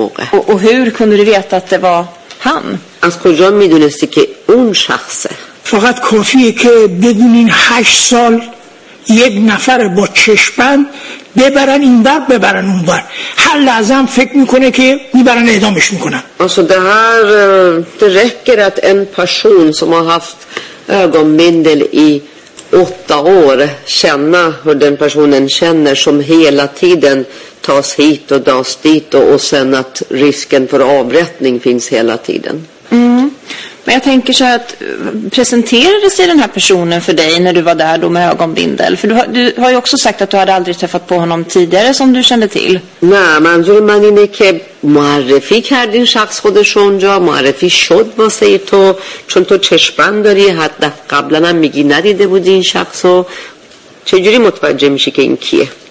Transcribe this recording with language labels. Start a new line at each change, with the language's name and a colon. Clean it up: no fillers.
Swedish: Och hur kunde du veta att det var han?
Persian: از کجا میدونستی که اون شخصه؟ فقط کافیه که بدونین 8 سال یک نفر با چشمن ببرن این بر ببرن اون بر هر لحظه فکر میکنه که میبرن اعدامش میکنن
Swedish: alltså det här det räcker att en person som har haft ögonbindel i 8 år känna hur den personen känner som hela tiden tas hit och tas dit och sen att risken för avrättning finns hela tiden. Men jag tänker så här att presenterade sig den här personen för dig när du var där då med ögonbindel? För du har ju också sagt att du hade aldrig träffat på honom tidigare som du kände till. Nej, men så
Persian: man inne ke معرفی کردین شخص خودش اونجا معرفی شد واسه تو چون تو چشمان داری حتی قبلا هم میگی ندیده بودی این شخصو چجوری متوجه میشی که این کیه